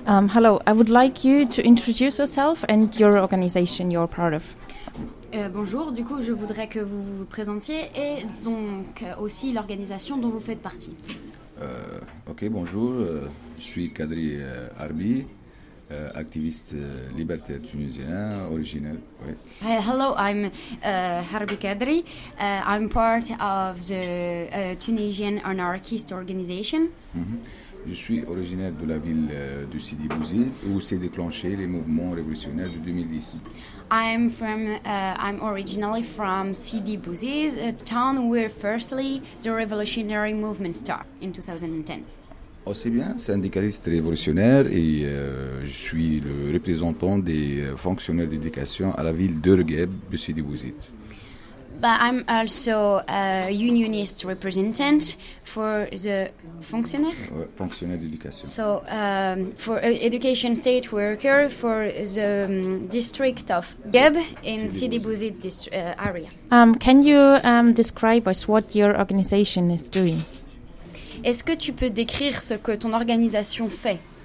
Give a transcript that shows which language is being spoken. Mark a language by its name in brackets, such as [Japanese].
[English] Hello, I would like you to introduce yourself and your organization you're part of. [French] Bonjour, du coup je voudrais que vous vous présentiez et donc aussi l'organisation dont vous faites partie. Bonjour, je suis Kadri Arbi, activiste libertaire tunisien, originel. Oui. [English] Hello, I'm Harbi Kadri. I'm part of the Tunisian anarchist organization. Mm-hmm. [French] Je suis originaire de la ville de Sidi Bouzid où s'est déclenché les mouvements révolutionnaires de 2010. [English] I'm originally from Sidi Bouzid, a town where firstly the revolutionary movement started in 2010. [French] Aussi bien, syndicaliste révolutionnaire et je suis le représentant des fonctionnaires d'éducation à la ville d'Urgeb de Sidi Bouzid. [English] But I'm also a unionist representative for the [French] fonctionnaire d'éducation. [English] So for education state worker for the district of Geb in Sidi Bouzid area. Can you describe us what your organization is doing? [French] Est-ce que tu peux décrire ce que ton organisation fait?